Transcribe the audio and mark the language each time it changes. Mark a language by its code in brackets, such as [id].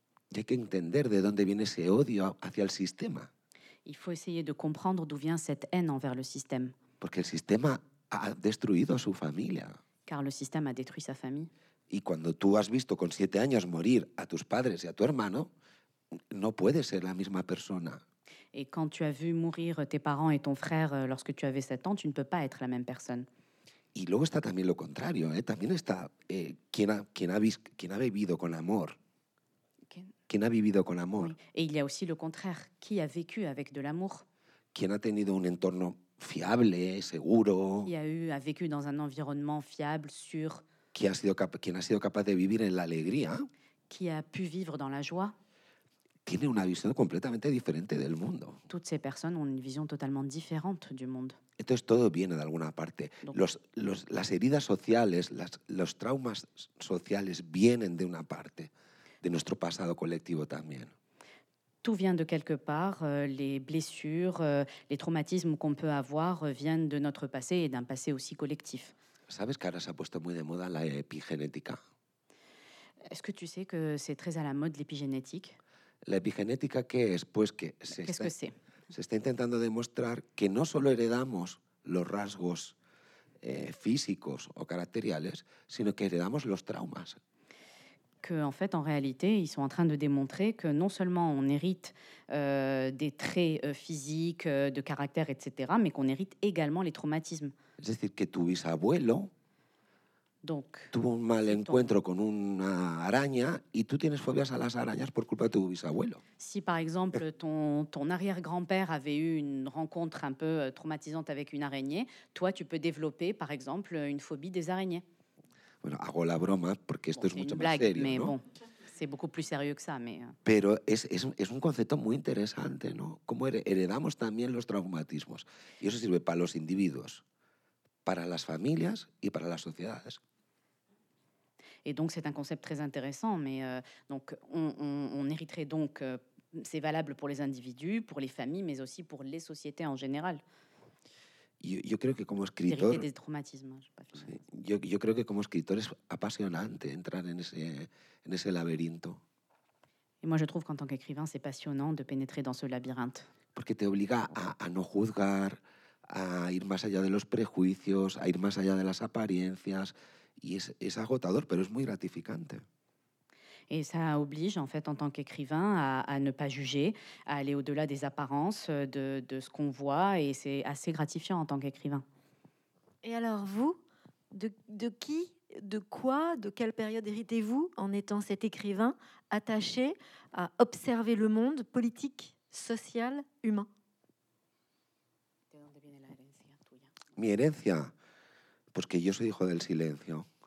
[es] Y hay que entender de dónde viene ese odio hacia el sistema. [fr] Il faut essayer de comprendre d'où vient cette haine envers le système. [es] Porque el sistema ha destruido a su familia. [fr] Car le système a détruit sa famille. [es] Y cuando tú has visto con 7 años morir a tus padres y a tu hermano, no puedes ser la misma persona. [fr] Et quand tu as vu mourir tes parents et ton frère lorsque tu avais 7 ans, tu ne peux pas être la même personne. [es] Y luego está también lo contrario, ¿eh? También está quien ha vivido con amor. ¿Quién ha vivido con amor? [fr] Et il y a aussi le contraire, qui a vécu avec de l'amour? [es] ¿Quién ha tenido un entorno fiable, seguro? [fr] Qui a vécu dans un environnement fiable, sûr? [es] ¿Quién ha sido capaz de vivir en la alegría? [fr] Qui a pu vivre dans la joie? [es] Tiene una visión completamente diferente del mundo. [fr] Toutes ces personnes ont une vision totalement différente du monde. [es] Entonces todo viene de alguna parte. [fr] Donc, [es] las heridas sociales, los traumas sociales vienen de una parte. De nuestro pasado colectivo también. [fr] Tout vient de quelque part. Les blessures, les traumatismes qu'on peut avoir viennent de notre passé et d'un passé aussi collectif. [es] ¿Sabes que ahora se ha puesto muy de moda la epigenética? [fr] Est-ce que tu sais que c'est très à la mode l'épigénétique? [es] ¿La epigenética qué es? Pues que se está intentando demostrar que no solo heredamos los rasgos físicos o caracteriales, sino que heredamos los traumas. [fr] En réalité, ils sont en train de démontrer que non seulement on hérite des traits physiques, de caractère, etc., mais qu'on hérite également les traumatismes. C'est-à-dire que tu [es] bisabuelo [fr] donc [es] tuvo un mal encuentro con una araña y tú tienes fobias a las arañas por culpa de tu bisabuelo. [fr] Si par exemple ton arrière-grand-père avait eu une rencontre un peu traumatisante avec une araignée, toi tu peux développer par exemple une phobie des araignées. [es] Bueno, hago la broma porque esto es mucho más serio, [fr] mais [es] ¿no? [fr] Bon, c'est beaucoup plus sérieux que ça, mais... [es] Pero es un concepto muy interesante, ¿no? Cómo heredamos también los traumatismos. Y eso sirve para los individuos, para las familias y para las sociedades. [fr] Et donc c'est un concept très intéressant, mais donc on hériterait donc c'est valable pour les individus, pour les familles, mais aussi pour les sociétés en général. [es] Yo creo que como escritor, de traumatismos, yo creo que como escritor es apasionante entrar en ese laberinto. [fr] Y moi je trouve qu'en tant qu'écrivain c'est passionnant de pénétrer dans ce labyrinthe. [es] Porque te obliga a no juzgar, a ir más allá de los prejuicios, a ir más allá de las apariencias y es agotador, pero es muy gratificante. [fr] Et ça oblige, en fait, en tant qu'écrivain, à ne pas juger, à aller au-delà des apparences, de ce qu'on voit, et c'est assez gratifiant en tant qu'écrivain. Et alors, vous, de qui, de quoi, de quelle période héritez-vous en étant cet écrivain attaché à observer le monde politique, social, humain ? [es] ¿De dónde viene la herencia tuya? Mi herencia, porque yo soy hijo del silencio.